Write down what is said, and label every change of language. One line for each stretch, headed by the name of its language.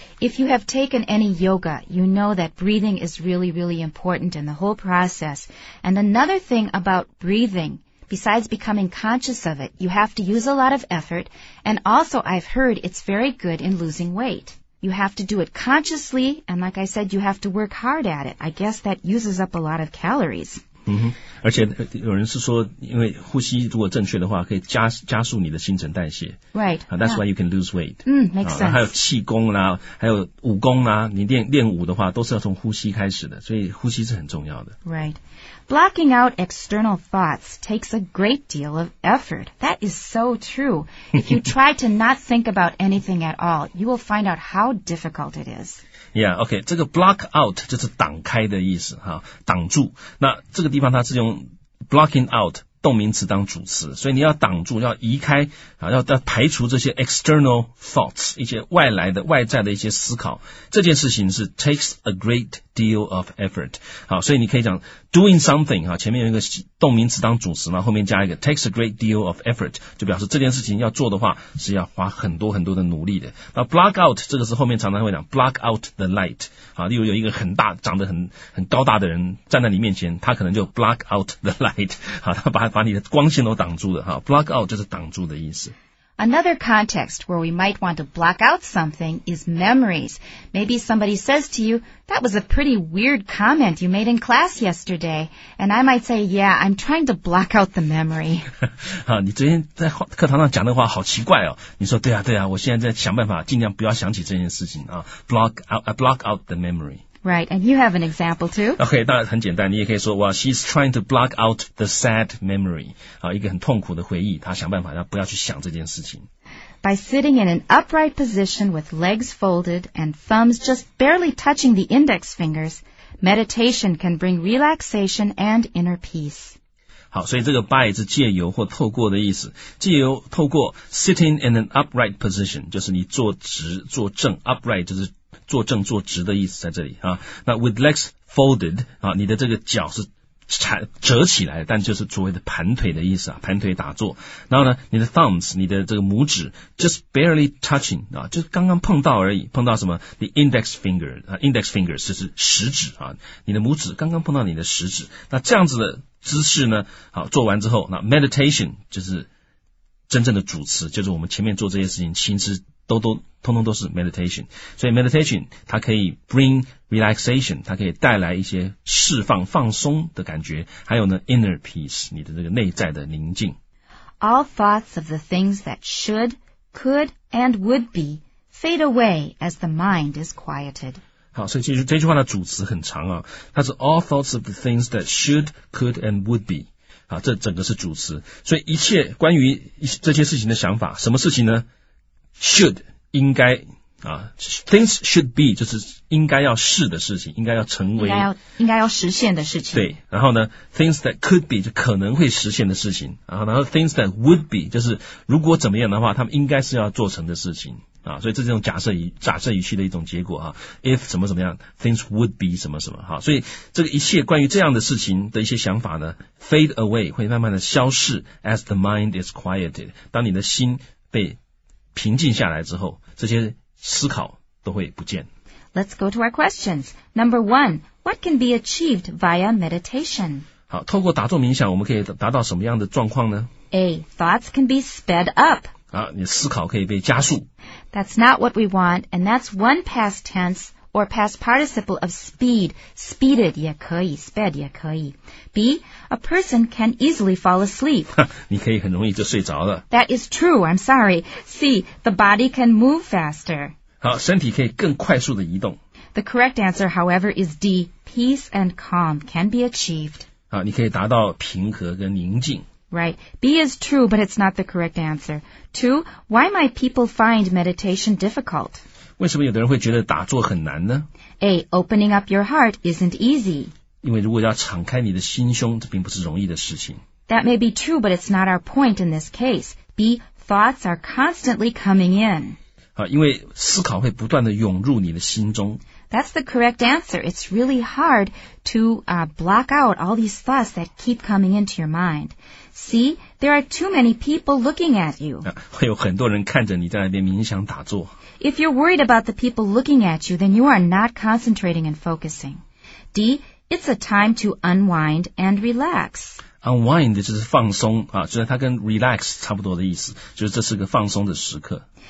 English: If you have taken any yoga, you know that breathing is really, really important in the whole process. And another thing about breathing. Besides becoming conscious of it, you have to use a lot of effort, and also I've heard it's very good in losing weight. You have to do it consciously, and like I said, you have to work hard at it. I guess that uses up a lot of calories.
Chinese: 嗯哼，而且有人是说，因为呼吸如果正确的话，可以加速你的新陈代谢。
English: Right. That's why you can lose weight. 嗯 ，makes sense.
Chinese: 还有气功啦，还有武功啦，你练武的话，都是要从呼吸开始的，所以呼吸是很重要的。
English: Right. Blocking out external thoughts takes a great deal of effort. That is so true. If you try to not think about anything at all, you will find out how difficult it is. Yeah, okay.
Chinese: 这个
English: block out
Chinese: 就是挡开的意思，哈，挡住。那这个地方它是用
English: blocking out
Chinese: 动名词当主词，所以你要挡住，要移开，啊，要排除这些
English: external thoughts，
Chinese: 一些外来的、外在的一些思考。这件事情是
English: takes a great deal of effort.
Chinese: 好，所以你可以讲。
English: Doing something
Chinese: 啊，前面有一个动名词当主词，然后后面加一个
English: takes a great deal of effort，
Chinese: 就表示这件事情要做的话是要花很多很多的努力的。那
English: block out
Chinese: 这个是后面常常会讲
English: block out the light
Chinese: 啊，例如有一个很大长得很高大的人站在你面前，他可能就 block out the light 啊，他把你的光线都挡住了哈。
English: Block out
Chinese: 就是挡住的意思。
English: Another context where we might want to block out something is memories. Maybe somebody says to you, that was a pretty weird comment you made in class yesterday. And I might say, yeah, I'm trying to block out the memory.
Chinese: 你昨天在课堂上讲的话好奇怪哦。你说对啊对啊，我现在在想办法尽量不要想起这件事情啊。
English: Block out the memory. Right, and you have an example too. Okay,
Chinese: 当然很简单，你也可以说
English: well, she's trying to block out the sad memory.
Chinese: 一个很痛苦的回忆，她想办法要不要去想这件事情。
English: By sitting in an upright position with legs folded and thumbs just barely touching the index fingers, meditation can bring relaxation and inner peace.
Chinese: 好，所以这个 by 是借由或透过的意思，借由透过
English: sitting in an upright position,
Chinese: 就是你坐直坐正 upright 就是坐正坐直的意思在这里啊。那
English: with legs folded
Chinese: 啊，你的这个脚是折起来，但就是所谓的盘腿的意思啊，盘腿打坐。然后呢，你的 thumbs 你的这个拇指
English: just barely touching
Chinese: 啊，就刚刚碰到而已，碰到什么
English: the index finger
Chinese: 啊 ，
English: index fingers
Chinese: 就是食指啊，你的拇指刚刚碰到你的食指。那这样子的姿势呢，好做完之后，那 meditation 就是真正的主词，就是我们前面做这些事情，其实都。通通都是 meditation， 所以 meditation 它可以
English: bring relaxation，
Chinese: 它可以带来一些释放、放松的感觉，还有呢
English: inner peace，
Chinese: 你的这个内在的宁静。 All thoughts of the things that should, could, and would be fade away as the mind is quieted。好，所以其实这句话的主词很长啊，它是
English: all thoughts of the things that should, could, and would be。
Chinese: 啊，这整个是主词，所以一切关于这些事情的想法，什么事情呢 ？Should。应该啊 ，
English: things should be
Chinese: 就是应该要是的事情，应该要成为，应该要实现的事情。对，然后呢 ，
English: things that could be
Chinese: 就可能会实现的事情，然后
English: things that would be
Chinese: 就是如果怎么样的话，他们应该是要做成的事情啊。所以这种假设语气的一种结果啊 ，if 怎么怎么样 ，
English: things would be
Chinese: 什么什么哈、啊。所以这个一切关于这样的事情的一些想法呢 ，
English: fade away
Chinese: 会慢慢的消逝 ，
English: as the mind is quieted，
Chinese: 当你的心被平静下来之后，这些思考都会不见。
English: Let's go to our questions. Number one, what can be achieved via meditation?
Chinese: 好，透过打坐冥想，我们可以达到什么样的状况呢
English: ？A. Thoughts can be sped up.
Chinese: 啊，你思考可以被加速。
English: That's not what we want, and that's one past tense or past participle of speed.
Chinese: Speeded 也可以 ，sped 也可以。
English: B. A person can easily fall asleep.
Chinese: 你可以很容易就睡着了。
English: That is true, I'm sorry. C, the body can move faster.
Chinese: 好，身体可以更快速的移动。
English: The correct answer, however, is D, peace and calm can be achieved.
Chinese: 好，你可以达到平和跟宁静。
English: Right, B is true, but it's not the correct answer. Two, why might people find meditation difficult?
Chinese: 为什么有的人会觉得打坐很难呢
English: ？A, opening up your heart isn't easy.
Chinese: 因为如果要敞开你的心胸，这并不是容易的事情。
English: That may be true, but it's not our point in this case. B, thoughts are constantly coming in.
Chinese: 好，因为思考会不断的涌入你的心中。
English: That's the correct answer. It's really hard to block out all these thoughts that keep coming into your mind. C, there are too many people looking at you.
Chinese: 会有很多人看着你在那边冥想打坐。
English: If you're worried about the people looking at you, then you are not concentrating and focusing. D,It's a time to unwind and relax.
Chinese: Unwind 就是放松啊，就是它跟 relax 差不多的意思，就是这是个放松的时刻。